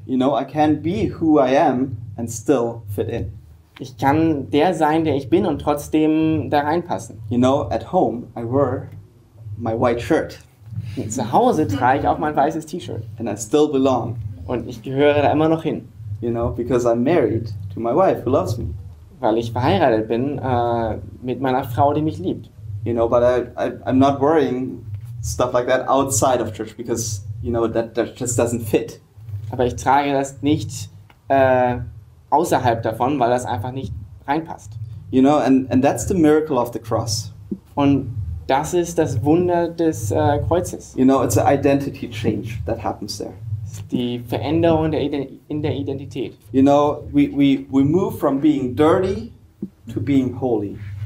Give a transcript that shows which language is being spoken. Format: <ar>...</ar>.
<en>You know, I can be who I am and still fit in.</en> <de>Ich kann der sein, der ich bin und trotzdem da reinpassen.</de> <en>You know, at home I wear my white shirt.</en> <de>Zu Hause trage ich auch mein weißes T-Shirt.</de> <en>And I still belong.</en> <de>Und ich gehöre da immer noch hin.</de> <en>You know, because I'm married to my wife who loves me.</en> <de>Weil ich verheiratet bin mit meiner Frau, die mich liebt.</de> <en>You know, but I'm not worrying stuff like that outside of church because, you know, that just doesn't fit.</en> <de>Aber ich trage das nicht außerhalb davon, weil das einfach nicht reinpasst.</de> <en>You know, and that's the miracle of the cross.</en> <de>Und das ist das Wunder des Kreuzes.</de> <en>You know, it's an identity change that happens there.</en> <de>Die Veränderung in der Identität.</de> <en>You know, we move from being dirty to being holy.</en>